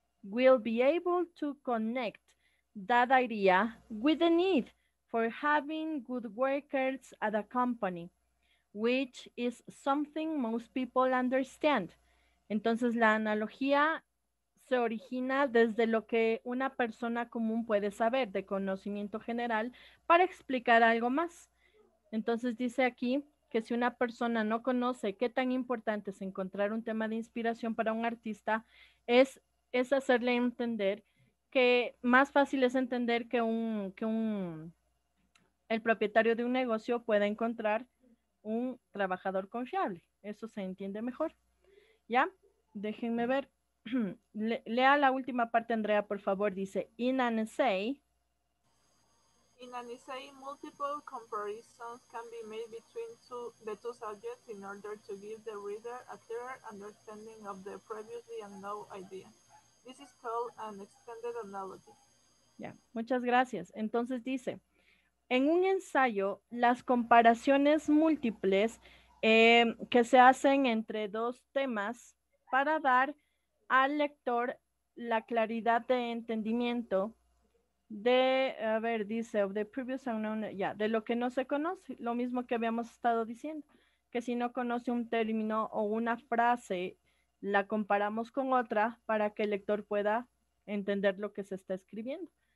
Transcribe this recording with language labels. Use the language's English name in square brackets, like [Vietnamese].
[English] will be able to connect that idea with the need for having good workers at a company, which is something most people understand. [Spanish] Entonces, la analogía se origina desde lo que una persona común puede saber de conocimiento general para explicar algo más. Entonces, dice aquí que si una persona no conoce qué tan importante es encontrar un tema de inspiración para un artista, es hacerle entender que más fácil es entender que el propietario de un negocio pueda encontrar un trabajador confiable. Eso se entiende mejor. ¿Ya? Déjenme ver. Lea la última parte, Andrea, por favor. Dice, [English] in an essay. In an essay, multiple comparisons can be made between the two subjects in order to give the reader a clearer understanding of the previously unknown idea. This is called an extended analogy. [Spanish] Ya, muchas gracias. Entonces dice, en un ensayo, las comparaciones múltiples que se hacen entre dos temas para dar al lector la claridad de entendimiento de, a ver, dice, [English] of the previous unknown, [Spanish] de lo que no se conoce, lo mismo que habíamos estado diciendo, que si no conoce un término o una frase, la comparamos con otra para que el lector pueda entender lo que se está escribiendo.